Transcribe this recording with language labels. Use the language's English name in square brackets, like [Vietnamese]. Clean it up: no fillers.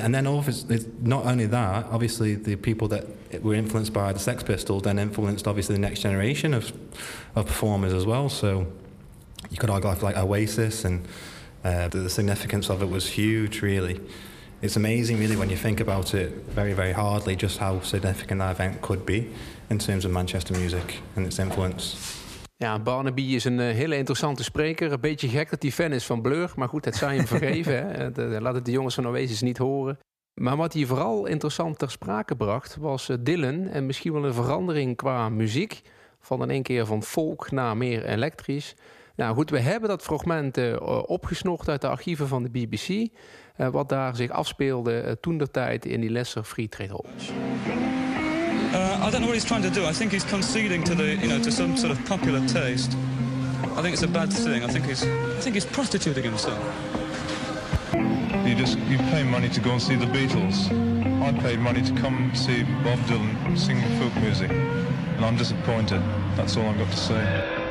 [English] And then it's not only that, obviously the people that were influenced by the Sex Pistols then influenced, obviously, the next generation of performers as well. So you could argue like Oasis, and the significance of it was huge, really. It's amazing, really, when you think about it very, very hardly, just how significant that event could be in terms of Manchester music and its influence. [Dutch] Ja, Barnaby is een hele interessante spreker. Een beetje gek dat hij fan is van Blur. Maar goed, het zijn hem vergeven. Laat het de jongens van Oasis niet horen. Maar wat hij vooral interessant ter sprake bracht, was Dylan. En misschien wel een verandering qua muziek. Van in één keer van folk naar meer elektrisch. Nou goed, we hebben dat fragment opgesnocht uit de archieven van de BBC. Wat daar zich afspeelde toendertijd in die Lesser Free Trade Hall. [English] I don't know what he's trying to do. I think he's conceding to some sort of popular taste. I think it's a bad thing. I think he's prostituting himself. You pay money to go and see the Beatles. I paid money to come see Bob Dylan sing folk music. And I'm disappointed. That's all I've got to say.